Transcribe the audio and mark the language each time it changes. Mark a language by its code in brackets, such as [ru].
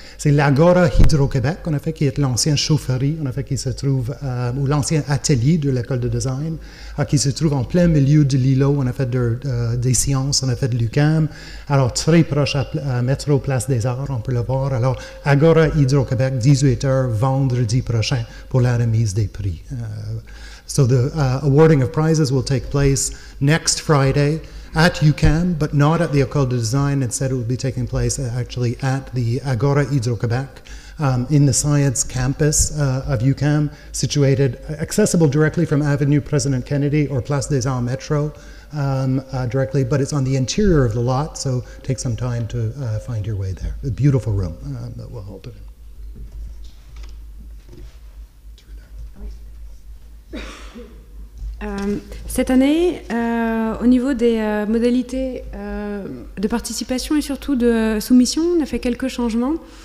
[fr] C'est l'Agora Hydro-Québec, en effet, qui est l'ancienne chaufferie, en effet, qui se trouve, ou l'ancien atelier de l'École de design, qui se trouve en plein milieu de l'îlot, en effet, des sciences, en effet, de l'UQAM. Alors, très proche à Métro Place des Arts, on peut le voir. Alors, Agora Hydro-Québec, 18h, vendredi prochain, pour la remise des prix. [en] So the awarding of prizes will take place next Friday, at UQAM, but not at the École de design. Instead, it will be taking place actually at the Agora Hydro-Québec in the science campus of UQAM, situated, accessible directly from Avenue President Kennedy or Place des Arts Metro directly, but it's on the interior of the lot, so take some time to find your way there. A beautiful room that we'll hold it in. [fr] Cette année, au niveau des modalités de participation et surtout de soumission, on a fait quelques changements.